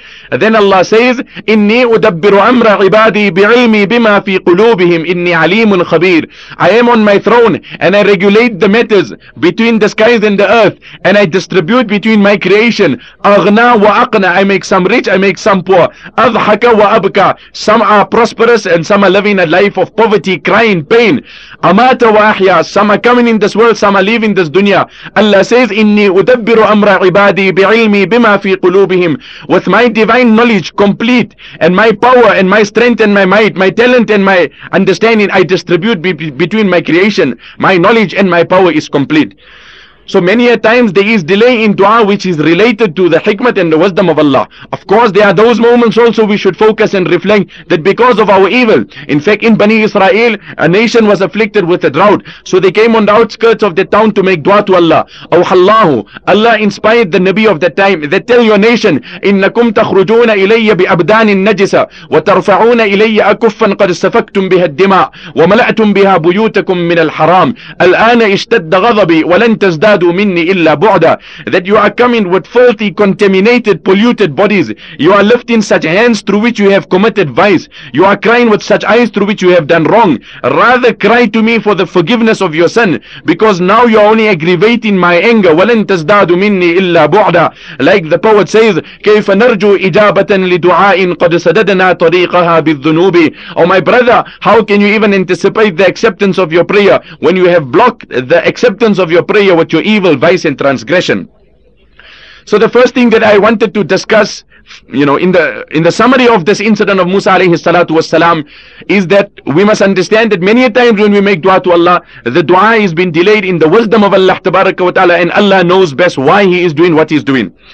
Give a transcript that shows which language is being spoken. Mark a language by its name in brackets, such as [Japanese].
[English] Then Allah says, [Arabic] إِنِّي أُدَبِّرُ أَمْرَ عِبَادِي بِعِلْمِي بِمَا فِي قُلُوبِهِمْ إِنِّي عَلِيمٌ خَبِيرٌ. [English] I am on my throne and I regulate the matters between the skies and the earth, and I distribute between my creation. [Arabic] أَغْنَى وَأَقْنَى. [English] I make some rich, I make some poor. [Arabic] أَضْحَكَ وَأَبْكَى. [English] Some are prosperous and some are living a life of poverty, crying, pain. [Arabic] أَمَاتَ وَأَحْيَى. [English] Some are coming in this world, some are leaving this dunya. Allah says, [Arabic] إِنِّي أُدَبِّرُ أَمْرَ عِبَادِي بِعِلْمِي بِمَا فِي قُلُوبِهِمْ. [English] With my divine divine knowledge complete, and my power and my strength and my might, my talent and my understanding, I distribute between my creation. My knowledge and my power is complete. So many a times there is delay in dua which is related to the hikmat and the wisdom of Allah. Of course, there are those moments also we should focus and reflect that because of our evil. In fact, in Bani Israel, a nation was afflicted with a drought. So they came on the outskirts of the town to make dua to Allah. Awhallahu, Allah inspired the Nabi of that time. They tell your nation, [Arabic] إِنَّكُمْ تَخْرُجُونَ إِلَيَّ بِأَبْدَانٍ نَجِسَةٍ وَتَرْفَعُونَ إِلَيَّ أَكُفًّا قَدْ سَفَكْتُمْ بِهَا الدِّمَاءَ وَمَلَأْتُمْ بِهَا بُيُوتَكُمْ مِنَ الْحَرَامِ الْآنَ اشْتَدَّ غَضَبِي وَلَنْ تَزْدَادَ [English] that you are coming with filthy, contaminated, polluted bodies. You are lifting such hands through which you have committed vice. You are crying with such eyes through which you have done wrong. Rather cry to me for the forgiveness of your sin, because now you are only aggravating my anger. [Arabic] وَلَنْ تَزْدَادُ مِنِّي إِلَّا بُعْدًا. [English] Like the poet says, [Arabic] كَيْفَ نَرْجُوا إِجَابَةً لِدُعَاءٍ قَدْ سَدَدَنَا طَرِيقَهَا بِالذُّنُوبِ. [English] Oh my brother, how can you even anticipate the acceptance of your prayer when you have blocked the acceptance of your prayer with your evil, vice and transgression? So the first thing that I wanted to discuss, you know, in the summary of this incident of Musa alayhi salatu wasalam, is that we must understand that many a times when we make dua to Allah, the dua has been delayed in the wisdom of Allah tabaraka wa ta'ala, and Allah knows best why he is doing what he's doing.